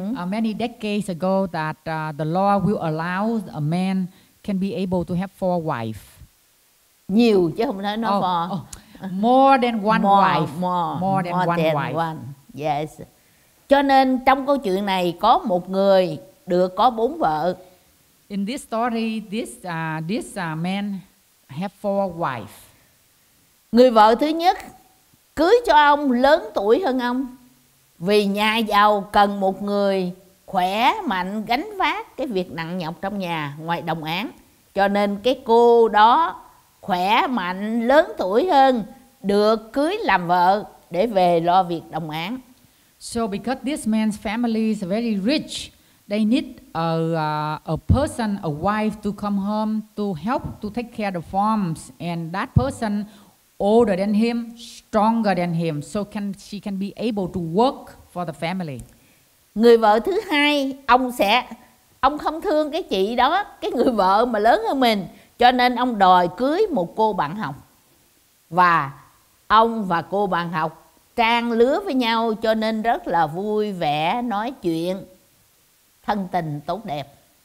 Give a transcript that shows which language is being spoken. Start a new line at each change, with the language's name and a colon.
English: Many decades ago, that the law will allow a man can be able to have four wives.
Vietnamese: Nhiều chứ không nói nó vò.
English: More than one wife. Yes.
Vietnamese: Cho nên trong câu chuyện này có một người được có bốn vợ.
English: In this story, this man have four wives.
Vietnamese: Người vợ thứ nhất cưới cho ông lớn tuổi hơn ông, vì nhà giàu cần một người khỏe mạnh gánh vác cái việc nặng nhọc trong nhà ngoài đồng áng. Cho nên cái cô đó khỏe mạnh lớn tuổi hơn được cưới làm vợ để về lo việc đồng áng.
English: So because this man's family is very rich, they need a person, a wife to come home to help to take care the farms, and that person older than him, stronger than him, so she can be able to work for the family.
Vietnamese: Người vợ thứ hai, ông không thương cái chị đó, cái người vợ mà lớn hơn mình, cho nên ông đòi cưới một cô bạn học. Và ông và cô bạn học trang lứa với nhau, cho nên rất là vui vẻ nói chuyện thân tình tốt đẹp.